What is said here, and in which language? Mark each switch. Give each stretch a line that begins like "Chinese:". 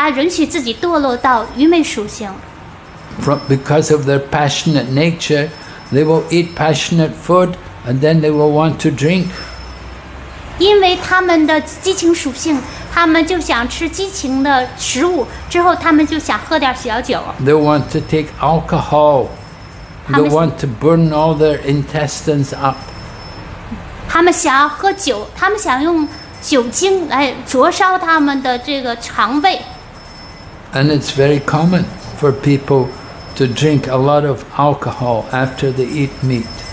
Chinese: 然而，就是这个激情属性呢，就使得一个人他允许自己堕落到愚昧属性。
English: Because of their passionate nature, they will eat passionate food, and then they will want to drink.
Chinese: 因为他们的激情属性，他们就想吃激情的食物，之后他们就想喝点小酒。
English: They want to take alcohol. They want to burn all their intestines up.
Chinese: 他们想要喝酒，他们想用酒精来灼烧他们的这个肠胃。
English: And it's very common for people to drink a lot of alcohol after they eat meat.